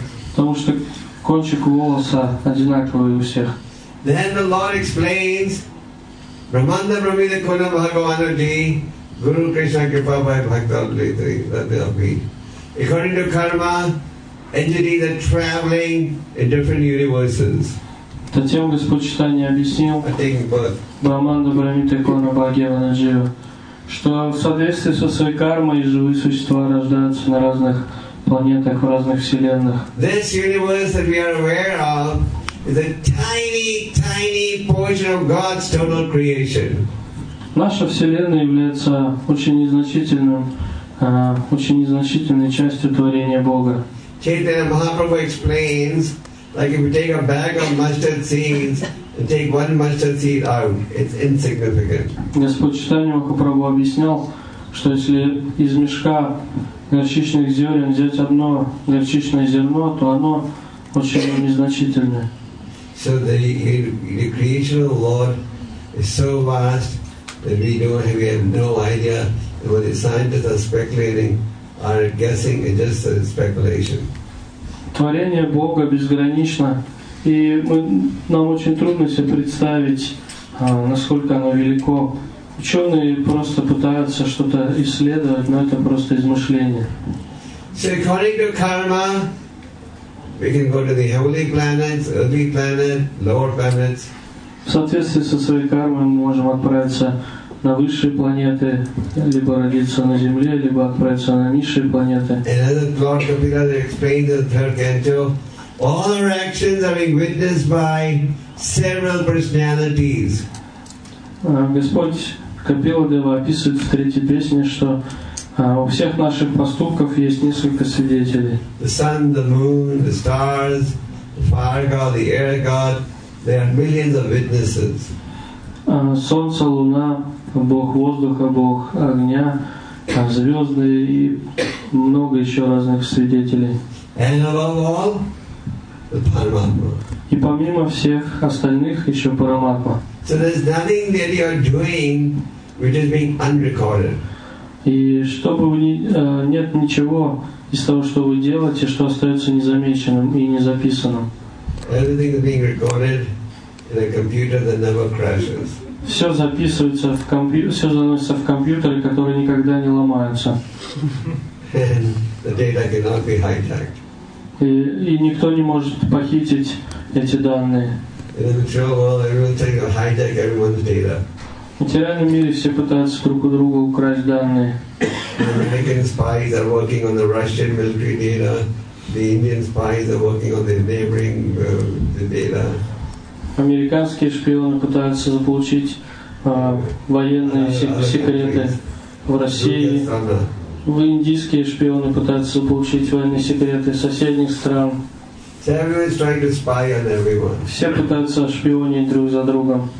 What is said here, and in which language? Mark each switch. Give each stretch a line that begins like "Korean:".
Russian: Потому что кончик волоса одинаковый у всех. Then the Lord explains, Brahmanda Brahmida Kuna Bhagavana Di, Guru Krishna Kripa Bhai Bhakta Lidri, that they'll be.
English: According to karma, entities are traveling in different universes.
Russian: Затем Господь Читания объяснил Брахманду Брахмите Кона Бхагевана Джива, что в соответствии со своей кармой живые существа рождаются на разных планетах, в разных вселенных.
English: This universe that we are aware of is a tiny, tiny portion of God's total creation.
Russian: Наша вселенная является очень незначительной частью творения Бога.
English: Чайтанья Махапрабху explains, like if you take a bag of mustard seeds and take one mustard seed out, it's insignificant.
Russian: Господь Чайтанья Махапрабху объяснял, что если из мешка горчичных зерен взять одно горчичное зерно, то оно очень незначительное.
English: So the creation of the Lord is so vast that we have no idea. What the scientists are speculating or guessing is just a speculation.
Russian: Творение Бога безгранично, и нам очень трудно себе представить, насколько оно велико. Ученые просто пытаются что-то исследовать, но это просто измышление.
English: So according to karma, we can go to the heavenly planets, earthly planets, lower planets.
Russian: В соответствии со своей кармой мы можем отправиться на высшие планеты, либо родиться на Земле, либо отправиться на низшие планеты.
English: All our actions are being witnessed by several personalities.
Russian: Господь Капила Дева описывает в третьей песне, что у всех наших поступков есть несколько свидетелей.
English: The sun, the moon, the stars, the fire god, the air god, there are millions of witnesses.
Russian: Солнце, луна, Бог воздуха, Бог огня, звезды и много еще разных свидетелей.
English: And above all, the Paramatma.
Russian: И помимо всех остальных еще Параматма.
English: So there's nothing that you are doing which is being unrecorded.
Russian: И чтобы нет ничего из того, что вы делаете, что остается незамеченным и незаписанным.
English: Everything is being recorded in a computer that never crashes.
Russian: Все записывается в все заносится в компьютеры, которые никогда не ломаются. И никто не может похитить эти данные. В материальном мире все пытаются друг у друга украсть данные.
English: American spies are working on the Russian military data. The Indian spies are working on the neighboring data.
Russian: Американские шпионы пытаются заполучить военные секреты в России. В индийские шпионы пытаются заполучить военные секреты соседних стран. Все пытаются шпионить друг за другом.